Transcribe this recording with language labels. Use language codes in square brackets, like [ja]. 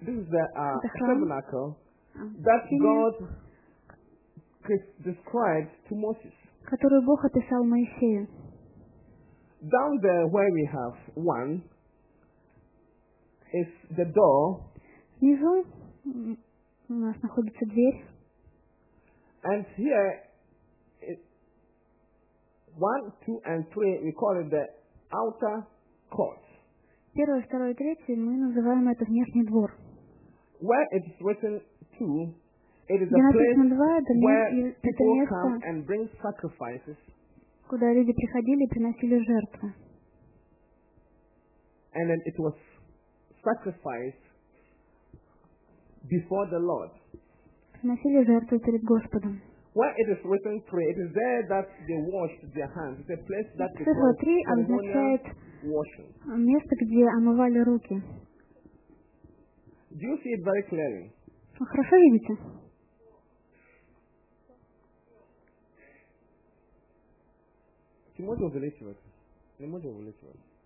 [en] This is the tabernacle that God described to Moses. [ru] Которую Бог описал Моисею. [en] Down there where we have one is the door. [ru] Внизу у нас находится дверь. [en] And here it, 1, 2, and 3 we call it the outer court. [ru] Первое, второе, третье мы называем это внешний двор. [en] Where it is written 2, it is [ru] где [en] a place 2, where people [ru] место, [en] come and bring sacrifices. [ru] Куда люди приходили и приносили жертвы. [en] And then it was sacrificed before the Lord. [ru] Приносили жертву перед Господом. [en] Where it is written 3, it is there that they washed their hands. It's a place that they washed. [ru] Цифра 3 означает место, где омывали руки. [en] Do you see it very clearly? [ru] Вы хорошо видите? Ты можешь увеличивать? Не можешь увеличивать?